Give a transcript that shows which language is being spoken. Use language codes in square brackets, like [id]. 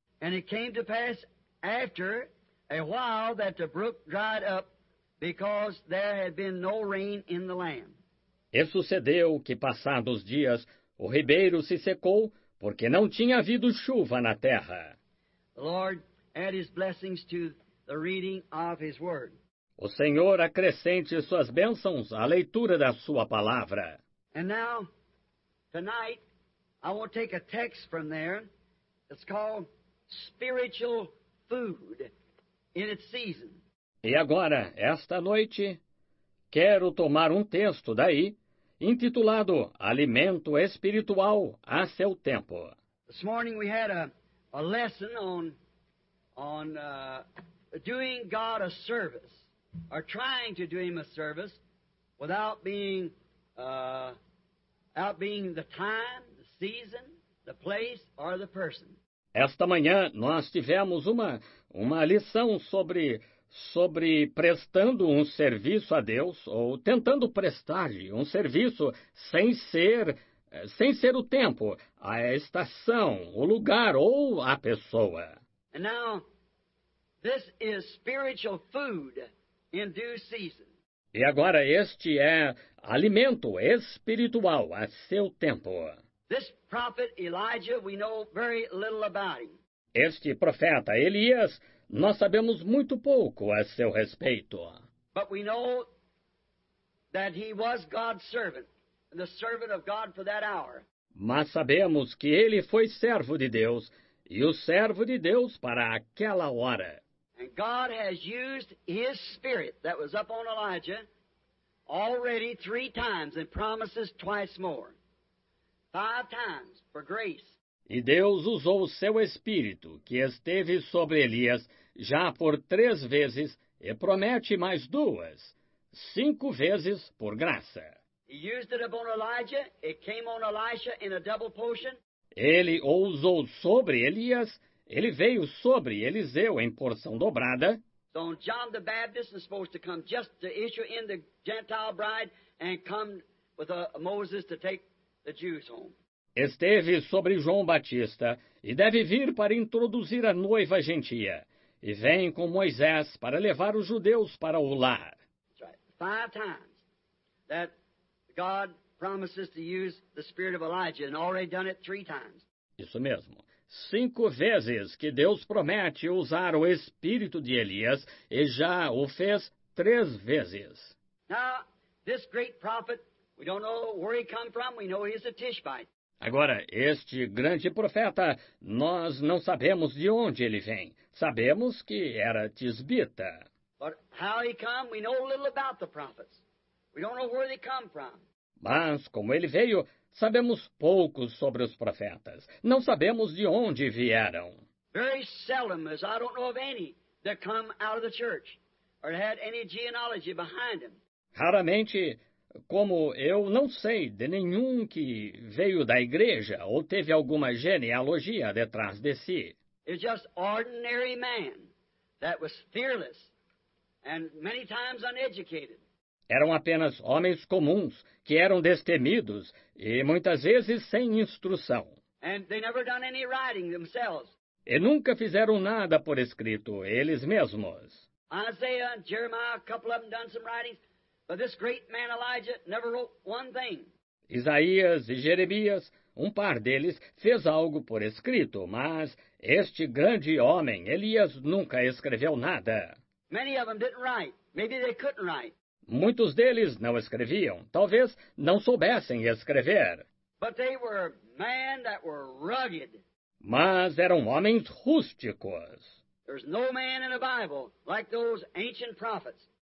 [en] And it came to pass after a while that the brook dried up, because there had been no rain in the land. [pt] E sucedeu que, passados dias, o ribeiro se secou, porque não tinha havido chuva na terra. [en] The Lord add his blessings to the reading of his word. [pt] O Senhor acrescente suas bênçãos à leitura da sua palavra. [en] And now, tonight, I will take a text from there. It's called Spiritual Food in its Season. [pt] E agora, esta noite, quero tomar um texto daí, intitulado Alimento Espiritual a Seu Tempo. [en] This morning we had a lesson on doing God a service. Are trying to do him a service without being the time, the season, the place or the person. [pt] Esta manhã nós tivemos uma lição sobre prestando um serviço a Deus ou tentando prestar-lhe um serviço sem ser o tempo, a estação, o lugar ou a pessoa. [en] And now this is spiritual food. In due season. [pt] E agora este é alimento espiritual a seu tempo. [en] This prophet Elijah, we know very little about him. [pt] Este profeta Elias, nós sabemos muito pouco a seu respeito. [en] But we know that he was God's servant, the servant of God for that hour. [pt] Mas sabemos que ele foi servo de Deus e o servo de Deus para aquela hora. [en] And God has used his spirit that was up on Elijah already 3 times and promises twice more. 5 times for grace. [pt] E Deus usou o seu espírito que esteve sobre Elias já por 3 vezes e promete mais 2. 5 vezes por graça. [en] He used it upon Elijah. It came on Elisha in a double portion. [pt] Ele o usou sobre Elias. Ele veio sobre Eliseu em porção dobrada. [en] So John the Baptist is supposed to come just to issue in the Gentile bride and come with Moses to take the Jews home. [pt] Esteve sobre João Batista e deve vir para introduzir a noiva gentia. E vem com Moisés para levar os judeus para o lar. [en] That's right. five times that God promises to use the spirit of Elijah and already done it three times. [pt] Isso mesmo. Cinco vezes que Deus promete usar o espírito de Elias e já o fez três vezes. [en] Now, this great prophet, we don't know where he come from, we know he's a Tishbite. [pt] Agora, este grande profeta, nós não sabemos de onde ele vem. Sabemos que era Tisbita. [en] But how he come, we know a little about the prophets. We don't know where they come from. [pt] Mas, como ele veio, sabemos pouco sobre os profetas. Não sabemos de onde vieram. [en] Very seldom, as I don't know of any, that come out of the church, or had any genealogy behind them. [pt] Raramente, como eu não sei de nenhum que veio da igreja ou teve alguma genealogia detrás de si. [en] It's just ordinary man that was fearless and many times uneducated. [pt] Eram apenas homens comuns que eram destemidos e muitas vezes sem instrução. [en] And they never done any writing themselves. [pt] E nunca fizeram nada por escrito eles mesmos. [en] Isaiah and Jeremiah, a couple of them done some writings. But this great man Elijah never wrote one thing. [pt] Isaías e Jeremias, um par deles, fez algo por escrito, mas este grande homem, Elias, nunca escreveu nada. [en] Many of them didn't write. Maybe they couldn't write. [pt] Muitos deles não escreviam. Talvez não soubessem escrever. [en] But they were men that were rugged. [pt] Mas eram homens rústicos. [en] There's no man in the Bible like those ancient prophets.